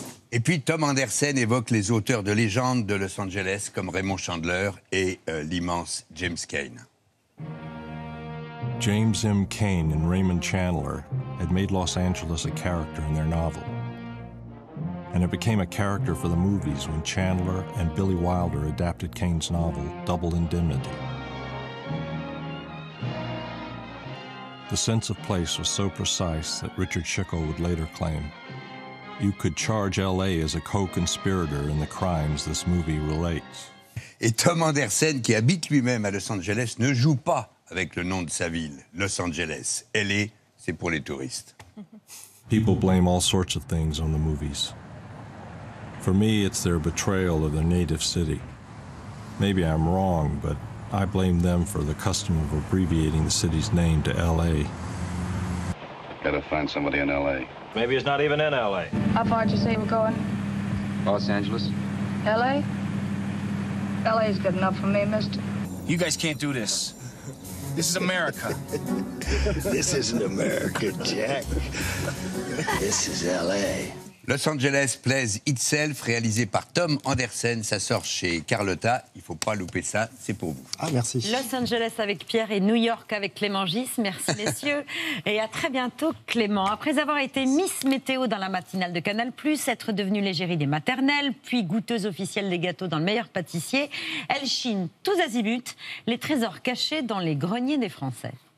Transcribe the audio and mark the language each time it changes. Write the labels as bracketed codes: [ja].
[fr] Et puis Tom Anderson évoque les auteurs de légendes de Los Angeles comme Raymond Chandler et l'immense James Cain. [en] James M. Cain and Raymond Chandler had made Los Angeles a character in their novel. And it became a character for the movies when Chandler and Billy Wilder adapted Cain's novel Double Indemnity. The sense of place was so precise that Richard Schickel would later claim, you could charge L.A. as a co-conspirator in the crimes this movie relates. [fr] Et Tom Anderson, qui habite lui-même à Los Angeles, ne joue pas avec le nom de sa ville, Los Angeles. L.A., c'est pour les touristes. [en] People blame all sorts of things on the movies. For me, it's their betrayal of their native city. Maybe I'm wrong, but I blame them for the custom of abbreviating the city's name to L.A. Better find somebody in L.A. Maybe he's not even in L.A. How far did you say we're going? Los Angeles. L.A.? L.A.'s good enough for me, mister. You guys can't do this. This is America. This isn't America, Jack. This is L.A. [fr] Los Angeles Plays Itself, réalisé par Tom Andersen. Ça sort chez Carlotta. Il ne faut pas louper ça, c'est pour vous. Ah, merci. Los Angeles avec Pierre et New York avec Clément Gis. Merci, messieurs. Et à très bientôt, Clément. Après avoir été Miss Météo dans la matinale de Canal+, être devenue l'égérie des maternelles, puis goûteuse officielle des gâteaux dans Le Meilleur Pâtissier, elle chine tous azimuts les trésors cachés dans les greniers des Français.